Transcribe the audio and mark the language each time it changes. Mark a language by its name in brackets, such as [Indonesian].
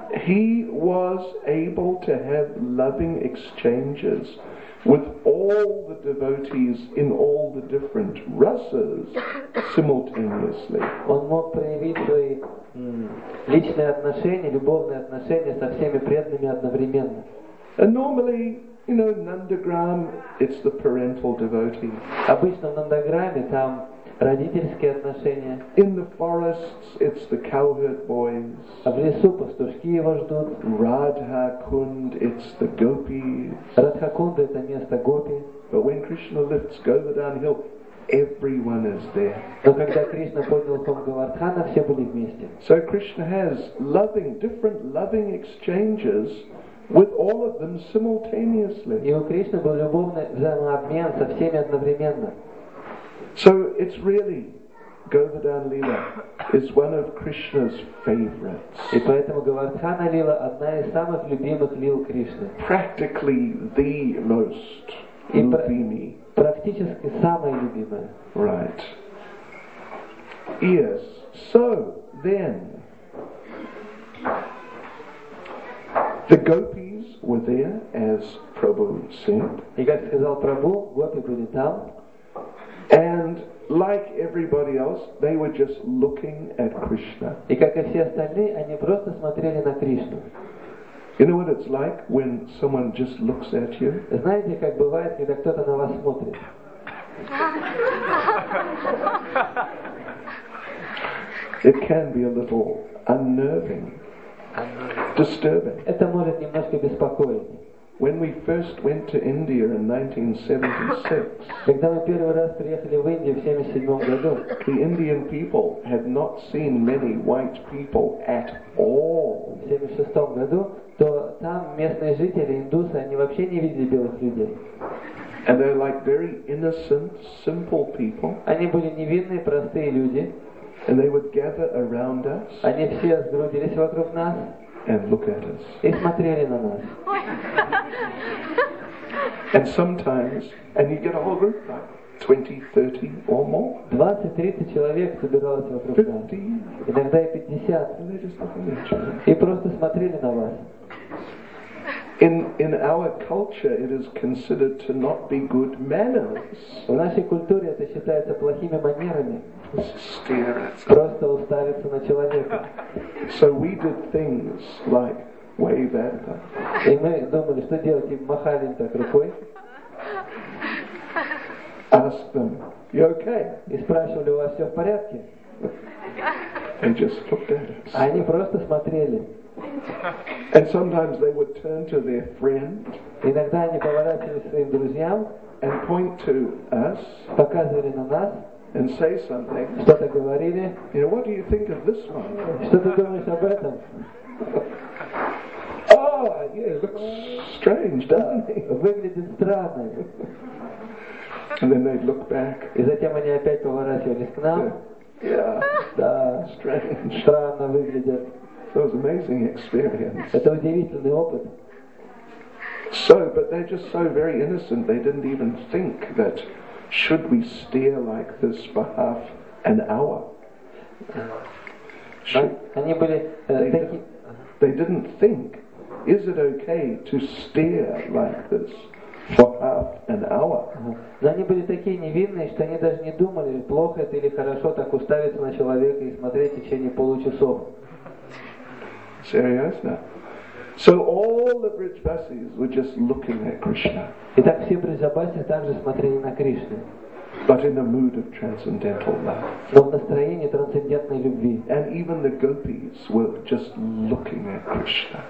[English] He was able to have loving exchanges with all the devotees in all the different rasas simultaneously. [Russian] Он мог проявить свои личные отношения, любовные отношения со всеми преданными одновременно. [English] And normally, you know, Nandagram, it's the parental devotee. [Russian] Обычно в Нандаграме там родительские отношения. [English] In the forests, it's the cowherd boys. [Russian] А в лесу пастушки его ждут. [English] Radha Kund, it's the gopis. [Russian] Радха Кунд — это место гопи. [English] But when Krishna lifts Govardhan Hill, everyone is there. [Russian] Но когда Кришна поднял сон Говардхана, все были вместе. [English] So Krishna has loving, different loving exchanges with all of them simultaneously. [Russian] И у Кришны был любовный взаимообмен со всеми одновременно. [English] So it's really Govardhan Lila is one of Krishna's favorites. [Russian] И поэтому Говардхана Лила одна из самых любимых лил Кришны. [English] Practically the most [Russian] любимый. Практически самая любимая. [English] Right. Yes. So then, the gopis were there, as Prabhu said. [Russian] И как сказал Прабху, гопи были там. [English] And like everybody else, they were just looking at Krishna. [Russian] И как и все остальные, они просто смотрели на Кришну. [English] You know what it's like when someone just looks at you? [Russian] Знаете, как бывает, когда кто-то на вас смотрит? [English] It can be a little unnerving, disturbing. [Russian] Это может немножко беспокоить. [English] When we first went to India in 1976, [Russian] когда мы первый раз приехали в Индию в 77 году, [English] the Indian people had not seen many white people at all. [Russian] В 76 году, то там местные жители индусы, они вообще не видели белых людей. [English] And they're like very innocent, simple people. [Russian] Они были невинные, простые люди. [English] And they would gather around us. [Russian] Они все сгрудились вокруг нас. [English] And look at us. [Russian] И смотрели на нас. [English] And sometimes, and you get a whole group like 20-30 or more. [Russian] 20-30 человек собиралось вокруг нас. Иногда и 50. [English] And they're just looking at each other. [Russian] И просто смотрели на вас. [English] In our culture, it is considered to not be good manners. [Russian] В нашей культуре это считается плохими манерами. Просто уставиться на человека. [English] So we did things like wave at them. [Russian] И мы думали, что делать, и махали им так рукой. [English] Ask them, you okay? [Russian] И спрашивали, у вас все в порядке? [English] They just looked at us. [Russian] Они просто смотрели. [English] And sometimes they would turn to their friend. [Russian] Иногда они поворачивались к своим друзьям. [English] And point to us. [Russian] Показывали на нас. [English] And say something. [Russian] Что-то говорили. [English] You know, what do you think of this one? [Russian] Что ты думаешь об этом? [English] Oh, yeah, it looks strange, doesn't it? [Russian] Выглядит странно. [English] And then they'd look back. [Russian] И затем они опять поворачивались к нам. [English] Yeah. [Russian] Да. [English] Strange. [Russian] Странно выглядит. [English] That was an amazing experience. [Russian] Это удивительный опыт. [English] So, but they're just so very innocent. They didn't even think that should we stare like this for half an hour? They didn't think, is it okay to stare like this for half an hour? [Russian] Но они были такие невинные, что они даже не думали, плохо это или хорошо так уставиться на человека и смотреть в течение получасов. [English] Serious now. So all the Vrijabasis were just looking at Krishna. [Russian] Итак, все Вриджабаси также смотрели на Кришну. [English] But in a mood of transcendental love. [Russian] Но в настроении трансцендентной любви. [English] And even the gopis were just looking at Krishna.